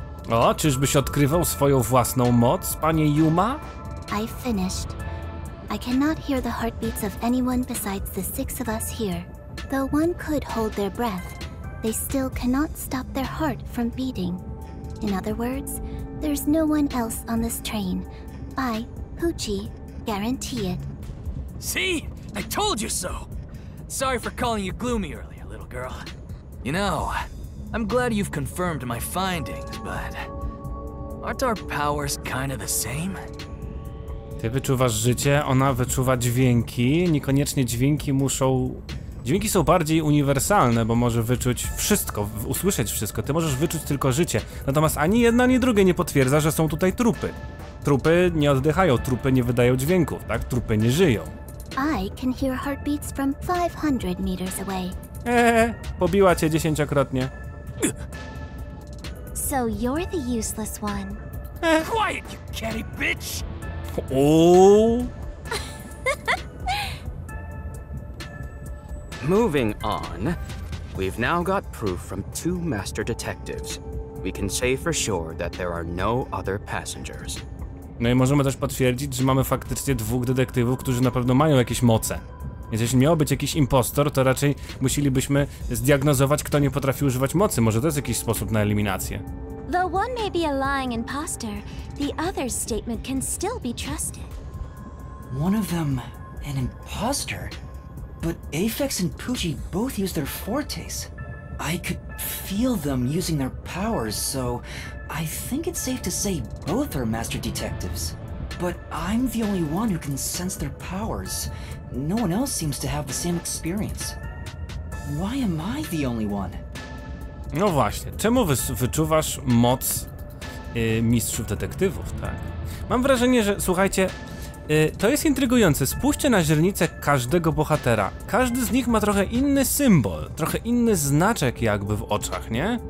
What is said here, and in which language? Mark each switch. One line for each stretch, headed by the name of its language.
Polish: O, czyżbyś odkrywał swoją własną moc, panie Yuma?
English: I finished. I cannot hear the heartbeats of anyone besides the six of us here. Though one could hold their breath, they still cannot stop their heart from beating. In other words, there's no one else on this train. I, Poochie, guarantee it. See? I told you so! Sorry for calling you gloomy earlier, little girl. You know, I'm glad you've confirmed my findings, but... aren't our powers kind of the same?
Polish: Ty wyczuwasz życie, ona wyczuwa dźwięki. Niekoniecznie dźwięki muszą... Dźwięki są bardziej uniwersalne, bo może wyczuć wszystko, usłyszeć wszystko. Ty możesz wyczuć tylko życie. Natomiast ani jedna, ani drugie nie potwierdza, że są tutaj trupy. Trupy nie oddychają, trupy nie wydają dźwięków, tak? Trupy nie żyją.
English: I can hear heartbeats from 500 meters away.
Polish: Pobiła cię dziesięciokrotnie.
English: So you're the useless one. Quiet, you catty bitch! Ooh. Moving on, we've now got proof from two master detectives. We can say for sure that there are no other passengers.
Polish: No i możemy też potwierdzić, że mamy faktycznie dwóch detektywów, którzy na pewno mają jakieś moce. Więc jeśli miał być jakiś impostor, to raczej musielibyśmy zdiagnozować, kto nie potrafi używać mocy. Może to jest jakiś sposób na eliminację.
English: Though one may be a lying impostor, the other's statement can still be trusted. One of them, an impostor? But Aphex and Poochie both use their fortes. I could feel them using their powers, so I think it's safe to say both are master detectives. but I'm the only one who can sense their powers. No one else seems to have the same experience. Why am I the only one?
Polish: No właśnie, czemu wyczuwasz moc mistrzów detektywów, tak? Mam wrażenie, że słuchajcie, to jest intrygujące. Spójrzcie na źrenice każdego bohatera. Każdy z nich ma trochę inny symbol, trochę inny znaczek jakby w oczach, nie?